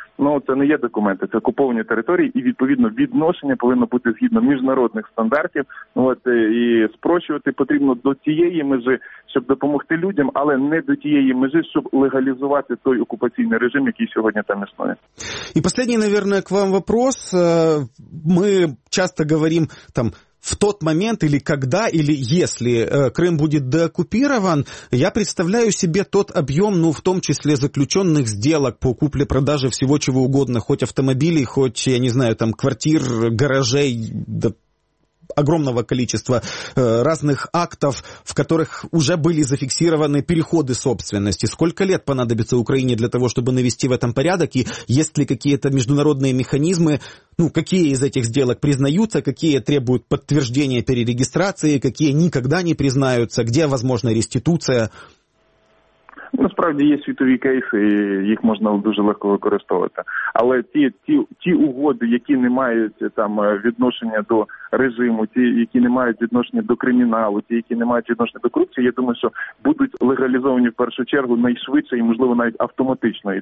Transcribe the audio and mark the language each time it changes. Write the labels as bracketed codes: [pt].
[uk] Ну, це не є документи, це окуповані території, і відповідно відношення повинно бути згідно міжнародних стандартів. От і спрощувати потрібно до тієї межі, щоб допомогти людям, але не до тієї межі, щоб легалізувати той окупаційний режим, який сьогодні там існує. І останній, [ru] наверное, к вам вопрос. [uk] Ми часто говоримо там. [ru] В тот момент или когда, или если Крым будет деоккупирован, я представляю себе тот объем, ну, в том числе заключенных сделок по купле-продаже всего чего угодно, хоть автомобилей, хоть, я не знаю, там, квартир, гаражей, да, огромного количества разных актов, в которых уже были зафиксированы переходы собственности. Сколько лет понадобится Украине для того, чтобы навести в этом порядок, и есть ли какие-то международные механизмы, ну, какие из этих сделок признаются, какие требуют подтверждения перерегистрации, какие никогда не признаются, где возможна реституция? [uk] Насправді є світові кейси, і їх можна дуже легко використовувати. Але ті угоди, які не мають там відношення до режиму, ті, які не мають відношення до криміналу, ті, які не мають відношення до корупції, я думаю, що будуть легалізовані в першу чергу найшвидше і, можливо, навіть автоматично.